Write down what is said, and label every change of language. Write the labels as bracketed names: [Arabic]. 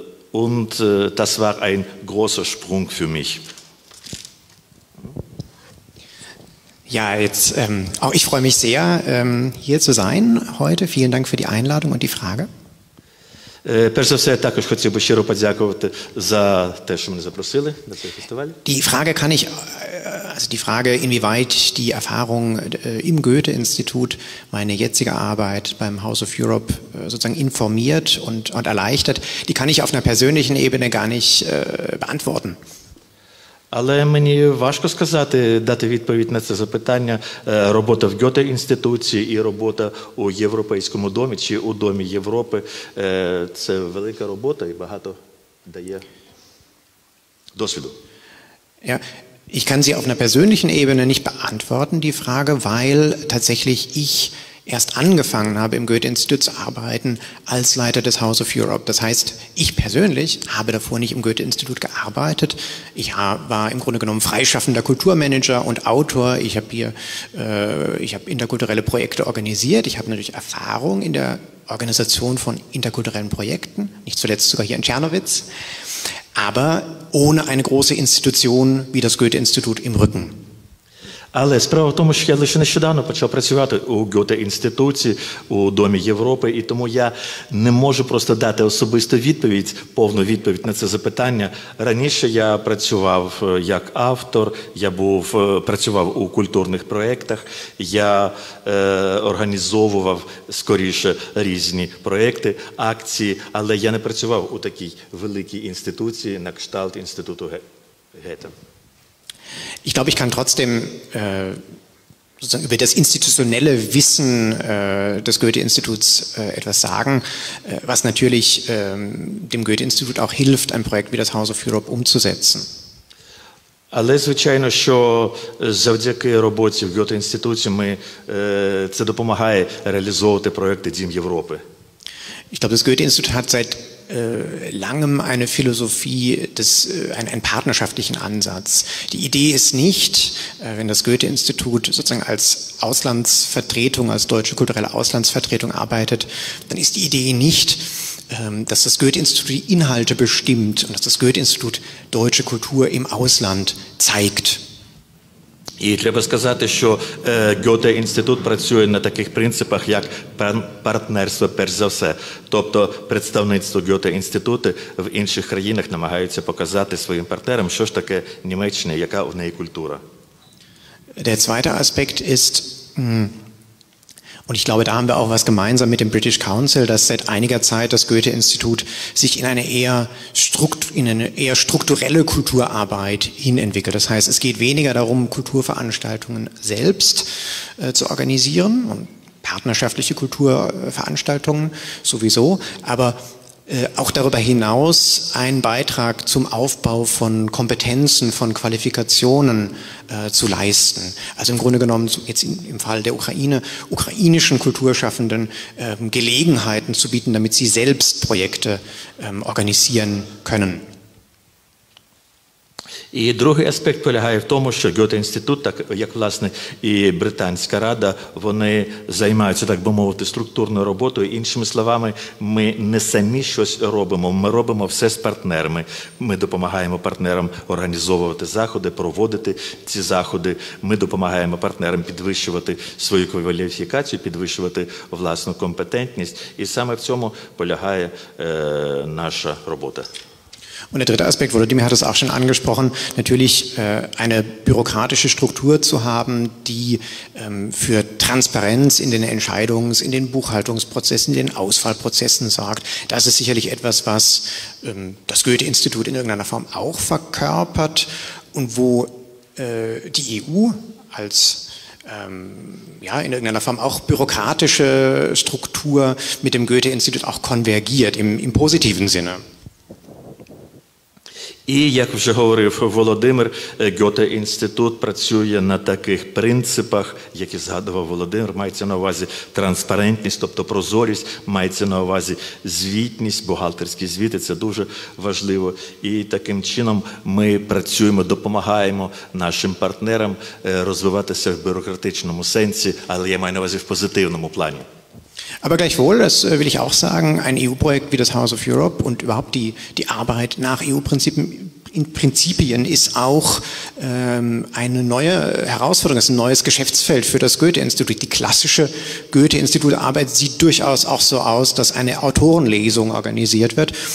[German] Und das war ein großer Sprung für mich. Ja, jetzt auch ich freue mich sehr, hier zu sein heute. Vielen Dank für die Einladung und die Frage. [Ukrainian] Перш за все, я також хотів би щиро подякувати за те, що мене запросили на цей фестиваль. [German] Die Frage kann ich, also die Frage, inwieweit die Erfahrung im Goethe-Institut meine jetzige Arbeit beim House of Europe sozusagen informiert und erleichtert, die kann ich auf einer persönlichen Ebene gar nicht beantworten. [Ukrainian] Але мені важко сказати, дати відповідь на це запитання, робота в Гьоте-інституції і робота у Європейському домі чи у Домі Європи, це велика робота і багато дає досвіду. [German] Ja, ich kann sie auf einer persönlichen Ebene nicht beantworten, die Frage, weil tatsächlich ich erst angefangen habe, im Goethe-Institut zu arbeiten als Leiter des House of Europe. Das heißt, ich persönlich habe davor nicht im Goethe-Institut gearbeitet. Ich war im Grunde genommen freischaffender Kulturmanager und Autor. Ich habe hier interkulturelle Projekte organisiert. Ich habe natürlich Erfahrung in der Organisation von interkulturellen Projekten, nicht zuletzt sogar hier in Czernowitz, aber ohne eine große Institution wie das Goethe-Institut im Rücken. [Ukrainian] Але справа в тому, що я лише нещодавно почав працювати у Гьоте-інституції, у Домі Європи, і тому я не можу просто дати особисту відповідь, повну відповідь на це запитання. Раніше я працював як автор, я працював у культурних проєктах, я організовував, скоріше, різні проєкти, акції, але я не працював у такій великій інституції на кшталт Інституту Гете. [German] Ich glaube, ich kann trotzdem sozusagen über das institutionelle Wissen des Goethe-Instituts etwas sagen, was natürlich dem Goethe-Institut auch hilft, ein Projekt wie das House of Europe umzusetzen. [Ukrainian] Але звичайно, що завдяки роботі в Goethe-Інституті це допомагає реалізовувати проекти Дім Європи. [German] Ich glaube, das Goethe-Institut hat seit langem eine Philosophie, einen partnerschaftlichen Ansatz. Die Idee ist nicht, wenn das Goethe-Institut sozusagen als Auslandsvertretung, als deutsche kulturelle Auslandsvertretung arbeitet, dann ist die Idee nicht, dass das Goethe-Institut die Inhalte bestimmt und dass das Goethe-Institut deutsche Kultur im Ausland zeigt. [Ukrainian] І треба сказати, що Гьоте-інститут працює на таких принципах, як партнерство, перш за все. Тобто представництво Гьоте-інституту в інших країнах намагаються показати своїм партнерам, що ж таке Німеччина, яка в неї культура. [German] Der zweite Aspekt ist, und ich glaube, da haben wir auch was gemeinsam mit dem British Council, dass seit einiger Zeit das Goethe-Institut sich in eine eher strukturelle Kulturarbeit hinentwickelt. Das heißt, es geht weniger darum, Kulturveranstaltungen selbst zu organisieren und partnerschaftliche Kulturveranstaltungen sowieso, aber auch darüber hinaus einen Beitrag zum Aufbau von Kompetenzen, von Qualifikationen zu leisten. Also im Grunde genommen, jetzt im Fall der Ukraine, ukrainischen Kulturschaffenden Gelegenheiten zu bieten, damit sie selbst Projekte organisieren können. [Ukrainian] І другий аспект полягає в тому, що Гьоте-інститут, так як, власне, і Британська Рада, вони займаються, так би мовити, структурною роботою. Іншими словами, ми не самі щось робимо, ми робимо все з партнерами. Ми допомагаємо партнерам організовувати заходи, проводити ці заходи. Ми допомагаємо партнерам підвищувати свою кваліфікацію, підвищувати власну компетентність. І саме в цьому полягає наша робота. [German] Und der dritte Aspekt, Volodymyr hat es auch schon angesprochen, natürlich eine bürokratische Struktur zu haben, die für Transparenz in den Entscheidungs-, in den Buchhaltungsprozessen, in den Ausfallprozessen sorgt. Das ist sicherlich etwas, was das Goethe-Institut in irgendeiner Form auch verkörpert und wo die EU als in irgendeiner Form auch bürokratische Struktur mit dem Goethe-Institut auch konvergiert, im positiven Sinne. [Ukrainian] І, як вже говорив Володимир, Гьоте-інститут працює на таких принципах, які згадував Володимир, мається на увазі транспарентність, тобто прозорість, мається на увазі звітність, бухгалтерські звіти, це дуже важливо. І таким чином ми працюємо, допомагаємо нашим партнерам розвиватися в бюрократичному сенсі, але я маю на увазі в позитивному плані. [German] Aber gleichwohl, das will ich auch sagen, ein EU-Projekt wie das House of Europe und überhaupt die Arbeit nach EU-Prinzipien ist auch eine neue Herausforderung, ist ein neues Geschäftsfeld für das Goethe-Institut. Die klassische Goethe-Institut-Arbeit sieht durchaus auch so aus, dass eine Autorenlesung organisiert wird.